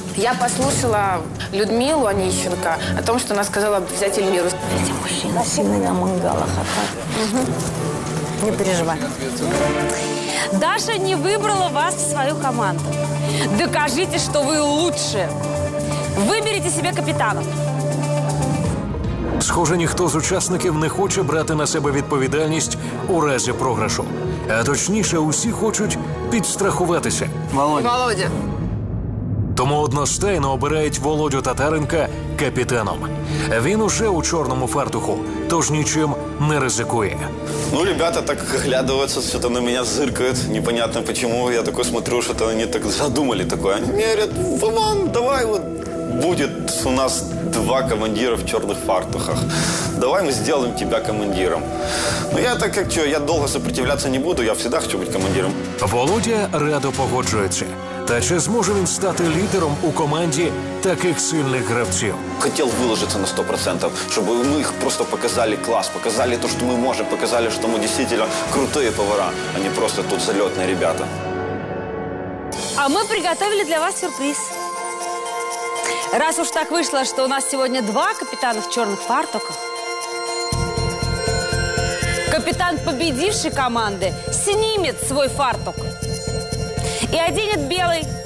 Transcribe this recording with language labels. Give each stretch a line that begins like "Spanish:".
Russian: Я послушала Людмилу Онищенко о том, что она сказала взять Эльмиру. Эти мужчины сильно на мангалах, а так? Не переживай. Даша не выбрала вас в свою команду. Докажите, что вы лучшие. Выберите себе капитана.
Ukrainian: Схоже, ніхто з учасників не хоче брати на себе відповідальність у разі програшу. А точніше, усі хочуть підстрахуватися. Володя. Тому одностайно обирають Володю Татаренка капітаном. Він уже у чорному фартуху, тож нічим не ризикує.
Russian: Ну, ребята так глядываются, что-то на меня зыркают. Непонятно почему. Я такой смотрю, что-то они так задумали такое. Они мерят, Вован, давай вот. Будет у нас два командира в черных фартухах. Давай мы сделаем тебя командиром. Ну я так как я долго сопротивляться не буду, я всегда хочу быть командиром.
Ukrainian: Володя радо погоджується. Та чи зможе він стати лідером у команді таких сильних гравців? Хотів виложитися на 100%, щоб ми їх просто показали клас, показали те, що ми можемо, показали, що ми дійсно круті повара, а не просто тут
Russian: зальотні ребята.
Ukrainian: А ми приготовили для вас сюрприз.
Russian: Раз уж так вышло, что у нас сегодня два капитана в черных фартуках, капитан победившей команды снимет свой фартук и оденет белый.